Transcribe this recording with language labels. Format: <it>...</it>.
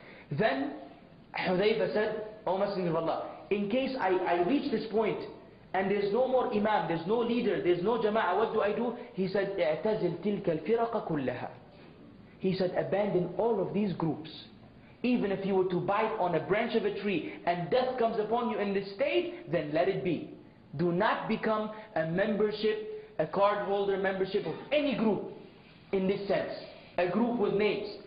<en>Then Hudayfa said, O Messenger of Allah, in case I reach this point, and there's no more imam, there's no leader, there's no jama'ah, what do I do?</en> <ar>He said, اعتزل تلك الفرق كلها.</ar> <en>He said, abandon all of these groups. Even if you were to bite on a branch of a tree and death comes upon you in this state, then let it be. Do not become a membership, a cardholder membership of any group in this sense. A group with names.</en>